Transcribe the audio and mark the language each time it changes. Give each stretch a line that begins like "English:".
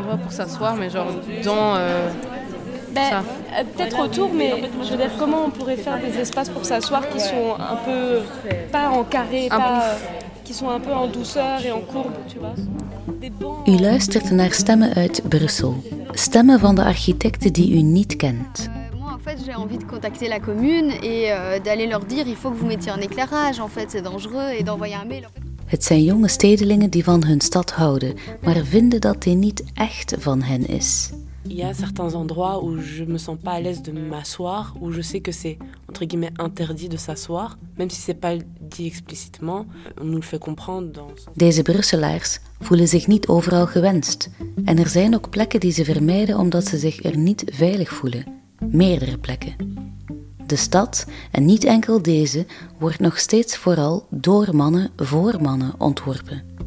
French: s'asseoir, mais genre dans ben, ça. Peut-être autour, mais je veux dire, comment on pourrait faire des espaces pour s'asseoir qui sont un peu pas en carré, qui sont un peu en douceur et en courbe, tu vois.
Dutch: U luistert naar stemmen uit Brussel. Stemmen van de architecten die u niet kent.
French: En fait, j'ai envie de contacter la commune et d'aller leur dire il faut que vous mettiez un éclairage, en fait, c'est dangereux, et d'envoyer un mail. En fait...
Dutch: Het zijn jonge stedelingen die van hun stad houden, maar vinden dat die niet echt van hen is.
French: Il y a certains endroits où je me sens pas à l'aise de m'asseoir, où je sais que c'est entre guillemets interdit de s'asseoir, même si c'est pas dit explicitement, on nous le fait comprendre dans...
Dutch: Deze Brusselaars voelen zich niet overal gewenst en er zijn ook plekken die ze vermijden omdat ze zich er niet veilig voelen. Meerdere plekken. De stad, en niet enkel deze, wordt nog steeds vooral door mannen voor mannen ontworpen.